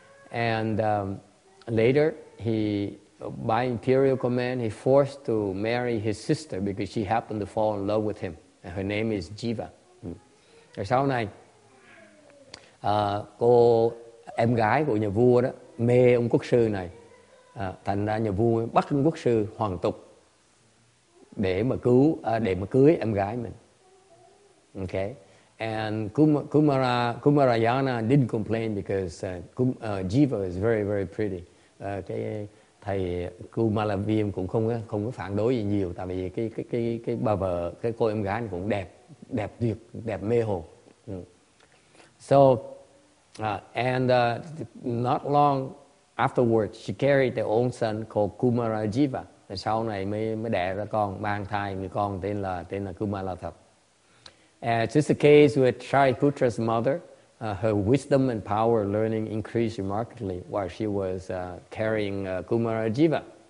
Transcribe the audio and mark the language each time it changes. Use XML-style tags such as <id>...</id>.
<en>And later he, by imperial command, he forced to marry his sister because she happened to fall in love with him. And her name is Jiva.</en> <vi>Rồi sau này, cô em gái của nhà vua đó mê ông quốc sư này, thành ra nhà vua bắt ông quốc sư hoàng tục để mà cưới em gái mình.</vi> <en>Okay. And Kumarayana didn't complain because Jiva is very, very pretty.</en> <vi>Cái thầy Kumaravim cũng không có phản đối gì nhiều, tại vì cái bà vợ, cái cô em gái cũng đẹp, đẹp tuyệt, đẹp mê hồn.</vi> <en>So not long afterwards, she carried their own son called Kumarajiva.</en> <vi>Sau này mới đẻ ra con, mang thai người con tên là Kumaravim.</vi> <en>It's just the case with Shariputra's mother. Her wisdom and power learning increased remarkably while she was carrying Kumarajiva.</en>